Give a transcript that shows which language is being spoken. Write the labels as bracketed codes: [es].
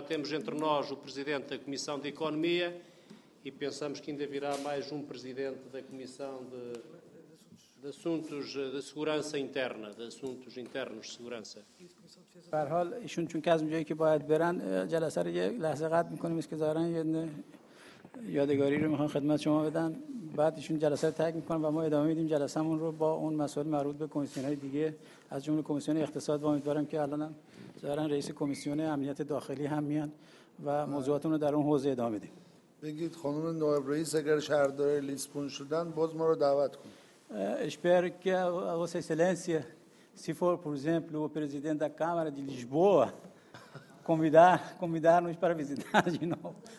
[pt] Já temos entre nós o presidente da Comissão de Economia e pensamos que ainda virá mais um presidente da Comissão de assuntos da segurança interna, de assuntos internos de segurança. [fa] Por حال ایشون چون که از اونجایی که باید برن جلسه رو یه لحظه قطع می‌کنیم که زارن یه یادگاری رو می‌خوان خدمت شما بدن بعد ایشون جلسه رو تک می‌کنن و ما ادامه میدیم جلسه‌مون رو با اون مسائل مربوط به کمیسیون‌های دیگه از جمله کمیسیون اقتصاد و امیدوارم که الان هم زارن رئیس کمیسیون امنیت داخلی هم میان و موضوعاتمون رو در اون حوزه ادامه میدیم بگید خانم نایب رئیس اگر شهردار لیسبون شدن باز ما رو دعوت کنید [pt] Espero que a Vossa Excelência, se for, por exemplo, o presidente da Câmara de Lisboa, convidar-nos para visitar de novo.